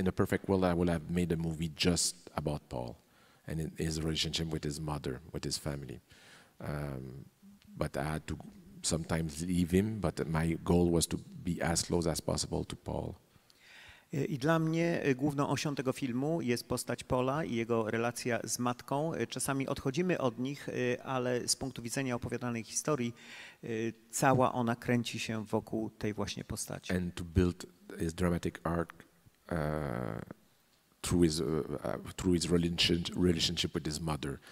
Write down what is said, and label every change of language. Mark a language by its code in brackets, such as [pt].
[en] In a perfect world, I would have made a movie just about Paul and his relationship with his mother, with his family. But I had to sometimes leave him, but my goal was to be as close as possible to Paul. [pl] I dla mnie główną osią tego filmu jest postać Paula i jego relacja z matką. Czasami odchodzimy od nich, ale z punktu widzenia opowiadanej historii, cała ona kręci się wokół tej właśnie postaci. [en] And to build his dramatic arc through his relationship with his mother.